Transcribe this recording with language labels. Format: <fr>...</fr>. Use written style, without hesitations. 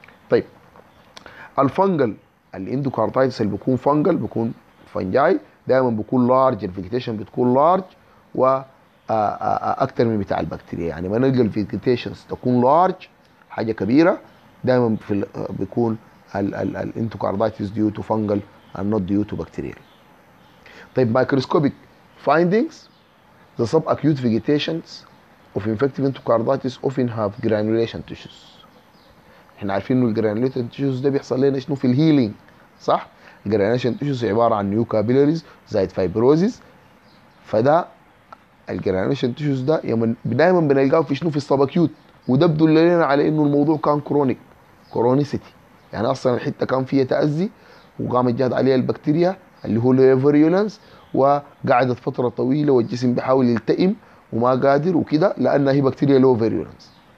<ar>طيب الفنجل الاندوكارديتس اللي بيكون فنجل, بيكون فنجاي دائما بيكون لارج, الفيجيتيشن بتكون لارج واكثر من بتاع البكتيريا. يعني ما نلقى الفيجيتيشنز تكون لارج حاجه كبيره, دائما بيكون الاندوكارديتس</ar> <en>Due to fungal and not due to bacteria. طيب microscopic findings, the subacute vegetations of infective endocarditis often have granulation tissues.</en> <ar>احنا عارفين انه granulation tissues ده بيحصل لنا شنو في الهيلينج, صح؟ granulation tissues عباره عن</ar> <en>new capillaries</en> <ar>زائد fibrosis, فده granulation tissues ده دايما بنلقاه في شنو, في السبكيوت, وده بدل لنا على انه الموضوع كان كرونيك كرونيسيتي, يعني اصلا الحته كان فيها تاذي وقامت جات عليها البكتيريا اللي هو virulence وقعدت فتره طويله والجسم بيحاول يلتئم وما قادر وكده, لان هي بكتيريا لو فيريولنس.</ar>